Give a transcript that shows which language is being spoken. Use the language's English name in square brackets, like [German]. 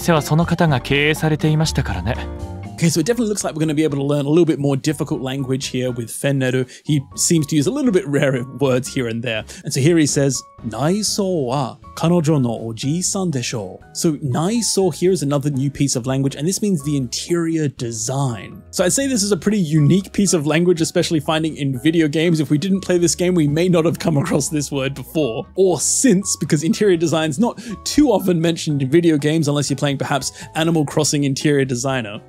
[Japanese] 内装は彼女のおじいさんでしょう。もともとこの店はその方が経営されていましたからね。 [English] Okay, so it definitely looks like we're going to be able to learn a little bit more difficult language here with Fenneru. He seems to use a little bit rarer words here and there. And so here he says, [Japanese] 内装は彼女のおじいさんでしょう. [English] So 内装 here is another new piece of language, and this means the interior design. So I'd say this is a pretty unique piece of language, especially finding in video games. If we didn't play this game, we may not have come across this word before or since, because interior design is not too often mentioned in video games, unless you're playing perhaps Animal Crossing Interior Designer.